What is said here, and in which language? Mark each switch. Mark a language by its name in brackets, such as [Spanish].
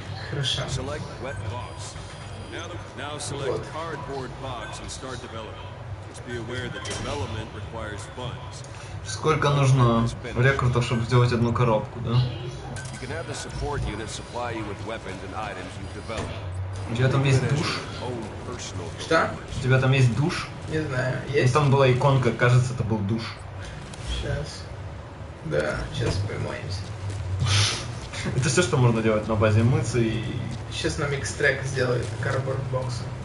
[Russian] Хорошо. [English] Select wet box. Now select cardboard box and start development. Just be aware that development requires funds. [Russian] Сколько нужно рекрутов, чтобы сделать одну коробку, да? [English] You can have the support units supply you with weapons and items you've developed. [Russian] У тебя там есть душ? Что? У тебя там есть душ? Не знаю, есть? Там была иконка, кажется, это был душ. Сейчас. Да, сейчас помоемся. Это все, что можно делать на базе мыться и... Сейчас нам X-Track сделает cardboard box.